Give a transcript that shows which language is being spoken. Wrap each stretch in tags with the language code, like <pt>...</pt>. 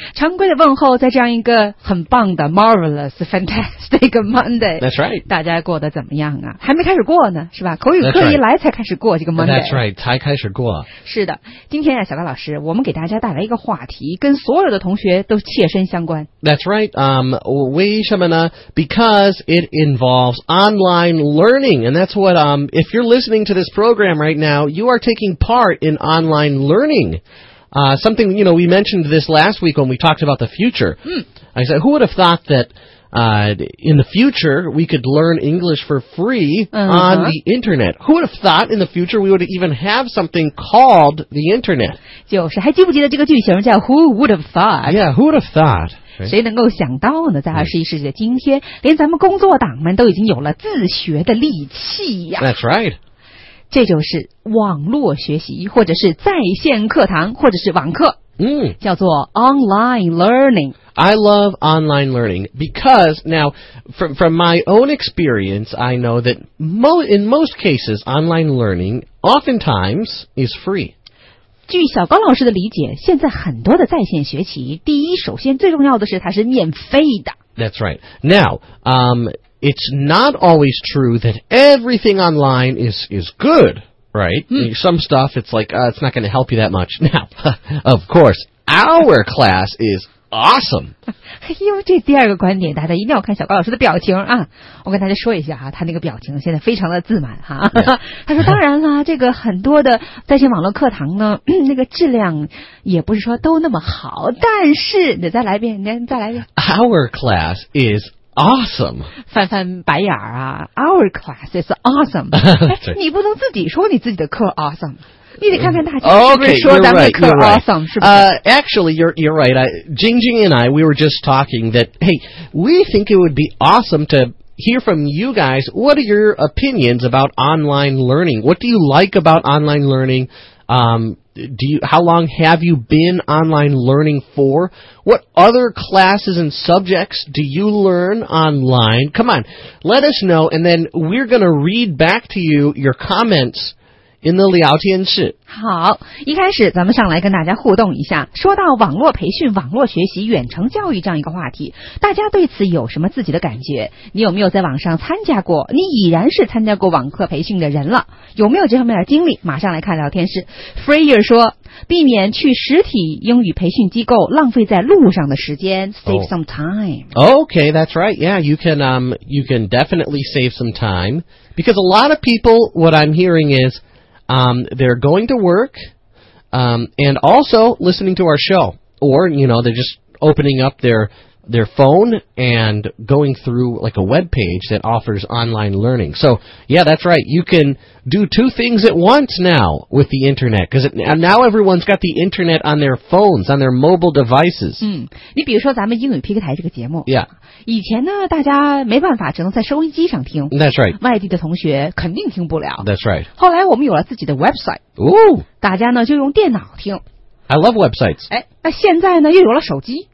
<zh>常规的问候在这样一个很棒的</zh> <en>marvelous fantastic Monday. That's right.</en> <zh>大家过得怎么样啊？还没开始过呢是吧，口语课一来才开始过这个 Monday。</zh> <en>That's right,</en> <zh>才开始过。是的，今天啊，小高老师，我们给大家带来一个话题，跟所有的同学都切身相关。</zh> <en>That's right,</en> <zh>为什么呢？</zh> <en>Because it involves online learning, and that's what, if you're listening to this program right now, you are taking part in online learning. Something, you know, we mentioned this last week when we talked about the future. I said, who would have thought that... in the future, we could learn English for free、 uh-huh. on the internet. Who would have thought in the future we would even have something called the internet?</en> <zh>就是还记不记得这个剧情叫</zh> <en>Who would have thought? Yeah, who would have thought?</en> <zh>谁能够想到呢，在21世纪的今天、mm. 连咱们工作党们都已经有了自学的利器呀。</zh> <en>That's right.</en> <zh>这就是网络学习，或者是在线课堂，或者是网课。 Mm. 叫做</zh> <en>online learning。 I love online learning because now from my own experience, I know that in most cases, online learning oftentimes is free.</en> <zh>据小高老师的理解，现在很多的在线学习，第一，首先最重要的是它是免费的。</zh> <en>That's right. Now, it's not always true that everything online is good, right? Mm. Some stuff, it's like, it's not going to help you that much. Now, of course, our class is... Awesome!</en> <zh>哎呦，这第二个观点，大家一定要看小高老师的表情啊！我跟大家说一下哈、啊，他那个表情现在非常的自满哈、啊。他说：“当然啦，这个很多的在线网络课堂呢，那个质量也不是说都那么好，但是你再来一遍，再来一遍。</zh> <en>Our class is.” Awesome.</en> <zh>翻翻白眼儿啊 ,</zh> <en>our class is awesome.</en> <zh>你不能自己说你自己的课 awesome. 你得看看大家是不是说咱们的课 awesome,</zh> <en>okay, you're right.</en> <zh>是不是</zh> <en>actually, you're right. Jingjing and I, we were just talking that, hey, we think it would be awesome to hear from you guys. What are your opinions about online learning? What do you like about online learning? How long have you been online learning for? What other classes and subjects do you learn online? Come on, let us know, and then we're going to read back to you your comments in the 聊天室。</en> <zh>好，一开始咱们上来跟大家互动一下，说到网络培训、网络学习、远程教育这样一个话题，大家对此有什么自己的感觉？你有没有在网上参加过？你已然是参加过网课培训的人了，有没有这方面的经历？马上来看聊天室。Freyer 说，避免去实体英语培训机构，浪费在路上的时间 ，</zh> <en>save some time.、 Oh. Okay, that's right. Yeah, you can definitely save some time because a lot of people. What I'm hearing is. They're going to work, and also listening to our show, or, you know, they're just opening up their phone and going through like a web page that offers online learning. So, yeah, that's right. You can do two things at once now with the internet, because now everyone's got the internet on their phones, on their mobile devices.</en> <zh>嗯，你比如说咱们英语 PK 台这个节目。</zh> <en>Yeah.</en> <zh>以前呢大家没办法只能在收音机上听</zh> <en>That's right</en> <zh>外地的同学肯定听不了</zh> <en>That's right</en> <zh>后来我们有了自己的 website、 Ooh. 大家呢就用电脑听</zh> <en>I love websites</en> <zh>哎，那现在呢又有了手机</zh>